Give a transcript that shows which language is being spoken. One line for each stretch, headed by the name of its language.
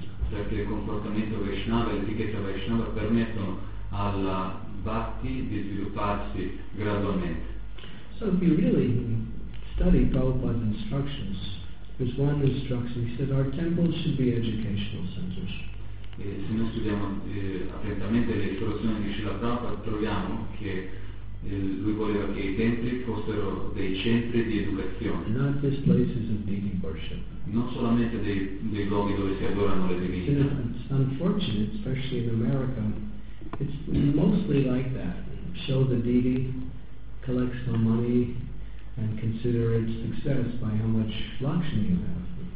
Italian: Perché il comportamento Vaishnava e l'etichetta Vaishnava permettono alla bhakti di svilupparsi gradualmente.
English: So if you really study Prabhupada's instructions, there's one instruction, he said our temples should be educational centers.
Italian: E se noi studiamo attentamente le istruzioni di Srila Prabhupada, troviamo che lui voleva che i templi fossero dei centri di educazione.
English: Not just places of deity worship.
Italian: Non solamente dei luoghi dove si adorano le divinità.
English: It's unfortunate, especially in America, it's mostly like that. Show the deity, collect some money, and consider its success by how much lakshmi you have.